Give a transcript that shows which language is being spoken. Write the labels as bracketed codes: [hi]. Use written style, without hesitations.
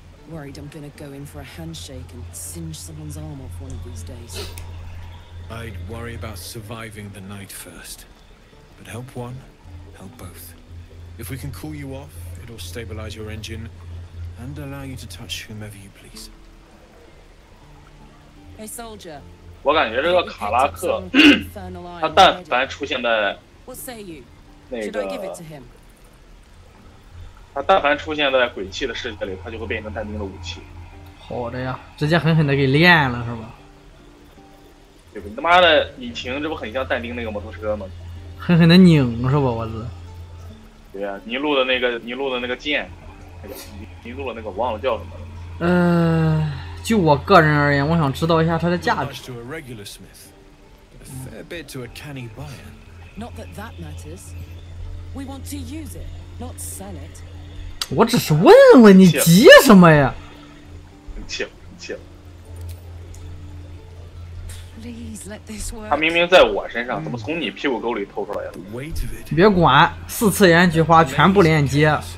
[en] Worried I'm gonna go in for a handshake and singe someone's arm off one of these days. I'd worry about surviving the night first. But help one, help both. If we can cool you off, it'll stabilize your engine and allow you to touch whomever you please. [zh] 我感觉这个卡拉克他但凡出现在那个他但凡出现在鬼泣的世界里，他就会变成但丁的武器。好的呀，直接狠狠的给练了是吧？对吧，你他妈的引擎这不很像但丁那个摩托车吗？狠狠的拧是吧？我是对呀、啊、尼禄的那个剑、哎、尼禄的那个忘了叫什么了。就我个人而言，我想知道一下它的价值。 [en] A regular smith, a fair bit to a canny buyer. Not that that matters. We want to use it, not sell it. [zh] 我只是问问你急什么呀？你气。 [en] Please let this work. [zh] 他明明在我身上，怎么从你屁股沟里偷出来了？别管，四次元菊花全部链接。